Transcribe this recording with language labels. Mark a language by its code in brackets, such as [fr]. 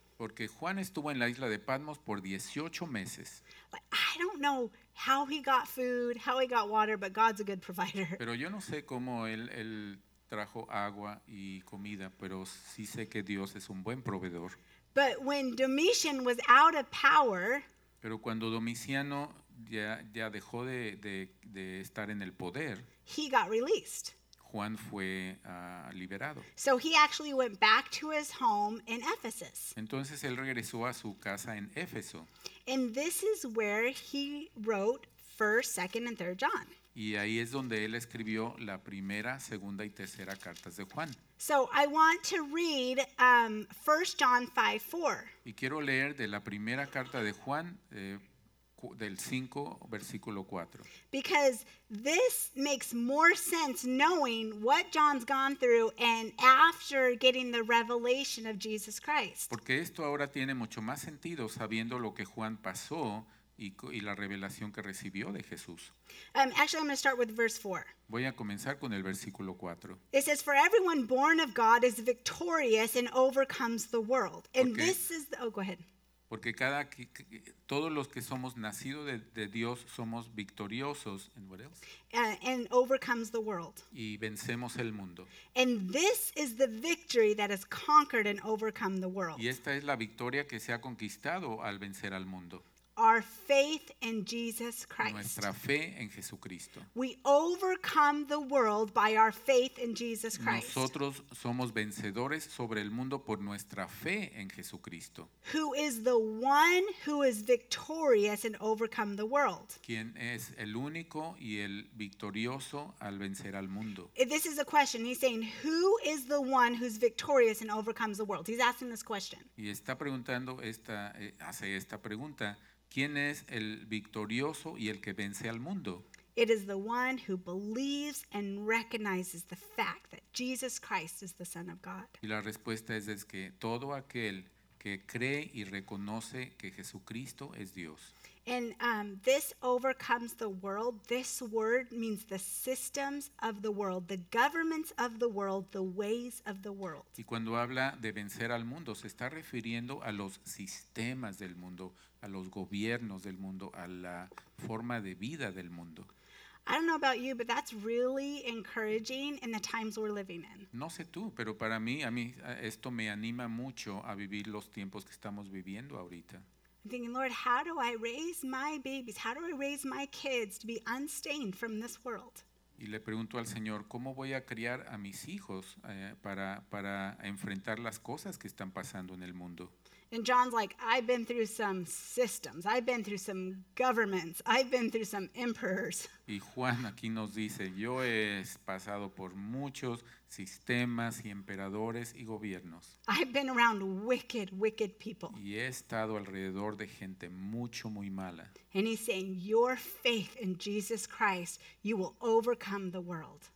[es] Porque Juan estuvo en la isla de Patmos por 18 meses. [en] I don't know how he got food, how he got water, but God's a good provider. [es] Pero yo no sé cómo él trajo agua y comida, pero sí sé que Dios es un buen proveedor. [en] But when Domitian was out of power, [es] pero cuando Domiciano ya dejó de estar en el poder, [en] he got released. [es] Juan fue liberado. [en] So he actually went back to his home in Ephesus. [es] Entonces él regresó a su casa en Éfeso. [en] And this is where he wrote 1st, 2nd, and 3rd John. [es] Y ahí es donde él escribió la primera, segunda y tercera cartas de Juan. [en] So I want to read 1st John 5:4. [es] Y quiero leer de la primera carta de Juan del 5, versículo 4. [en] Because this makes more sense knowing what John's gone through and after getting the revelation of Jesus Christ. [es] Porque esto ahora tiene mucho más sentido sabiendo lo que Juan pasó y la revelación que recibió de Jesús. [en] Actually, I'm going to start with verse 4. [es] Voy a comenzar con el versículo 4. [en] It says, for everyone born of God is victorious and overcomes the world. And this is the, oh, go ahead. [es] Porque todos los que somos nacidos de Dios somos victoriosos. [en] And what else? And overcomes the world. [es] Y vencemos el mundo. [en] And this is the victory that has conquered and overcome the world. [es] Y esta es la victoria que se ha conquistado al vencer al mundo. [en] Our faith in Jesus Christ. [es] Nuestra fe en Jesucristo. [en] We overcome the world by our faith in Jesus Christ. [es] Nosotros somos vencedores sobre el mundo por nuestra fe en Jesucristo. [en] Who is the one who is victorious and overcome the world? [es] ¿Quién es el único y el victorioso al vencer al mundo? [en] This is a question. He's saying, who is the one who's victorious and overcomes the world? He's asking this question. [es] Y está preguntando hace esta pregunta. ¿Quién es el victorioso y el que vence al mundo? [en] It is the one who believes and recognizes the fact that Jesus Christ is the Son of God. [es] Y la respuesta es que todo aquel que cree y reconoce que Jesucristo es Dios. [en] And this overcomes the world. This word means the systems of the world, the governments of the world, the ways of the world. [es] Y cuando habla de vencer al mundo, se está refiriendo a los sistemas del mundo, a los gobiernos del mundo, a la forma de vida del mundo. [en] I don't know about you, but that's really encouraging in the times we're living in. [es] No sé tú, pero para mí, a mí esto me anima mucho a vivir los tiempos que estamos viviendo ahorita. [en] I'm thinking, Lord, how do I raise my babies? How do I raise my kids to be unstained from this world? [es] Y le pregunto al Señor, ¿cómo voy a criar a mis hijos para enfrentar las cosas que están pasando en el mundo? [en] And John's like, I've been through some systems. I've been through some governments. I've been through some emperors. [es] Y Juan aquí nos dice, yo he pasado por muchos sistemas y emperadores y gobiernos. [en] I've been around wicked, wicked people. [es] Y he estado alrededor de gente mucho, muy mala. [en] And he's saying, your faith in Jesus Christ, you will overcome the world.